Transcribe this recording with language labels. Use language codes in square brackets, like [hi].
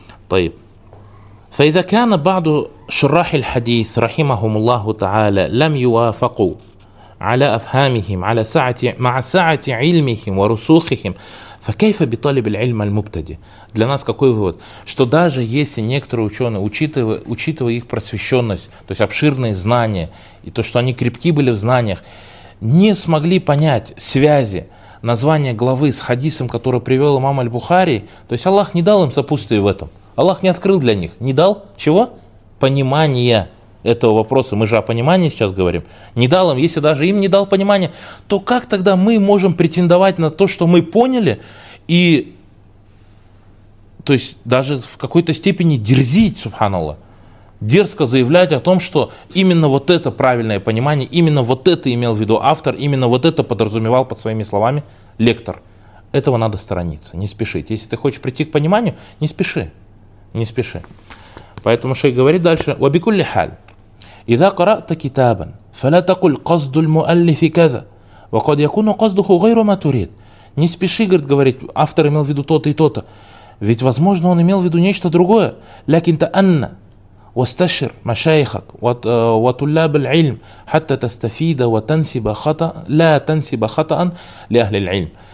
[ar] طيب فإذا كان بعض شراح الحديث رحمهم الله تعالى لم يوافقوا على أفهامهم على سعة مع سعة علمهم ورسوخهم فكيف بطالب العلم المبتدئ. [ru] Для нас какой вывод? Что даже если некоторые ученые, учитывая их просвещенность, то есть обширные знания и то, что они крепки были в знаниях, не смогли понять связи названия главы с хадисом, который привел имам аль-Бухари, то есть Аллах не дал им сопутствия в этом. Аллах не открыл для них, не дал чего? Понимания этого вопроса. Мы же о понимании сейчас говорим. Не дал им, если даже им не дал понимания, то как тогда мы можем претендовать на то, что мы поняли, и то есть даже в какой-то степени дерзить, субханаллах. дерзко заявлять о том, что именно вот это правильное понимание, именно вот это имел в виду автор, именно вот это подразумевал под своими словами лектор. Этого надо сторониться, не спешить. Если ты хочешь прийти к пониманию, не спеши, не спеши. Поэтому шейх говорит дальше: [ar] وَبِكُلِّ حَالٍ إِذَا قَرَأْتَ كِتَابًا فَلَا تَقُلْ قَصْدُ الْمُؤَلِّفِ كَذَا وَقَدْ يَكُونُ قَصْدُهُ غَيْرُ مَا تُرِيدُ. [ru] Не спеши, говорит, автор имел в виду то-то и то-то. Ведь, возможно, он имел в виду нечто другое. [ar] لَكِنْ تَأَنَّ وَاسْتَشِرْ مَشَايِخَكْ وَطُلَّابَ الْعِلْمِ حَتَّى تَسْتَفِيدَ وَتَنْسِبَ خَطَأً لَا تَنْسِبَ خَطَأً لِأَهْلِ الْعِلْمِ.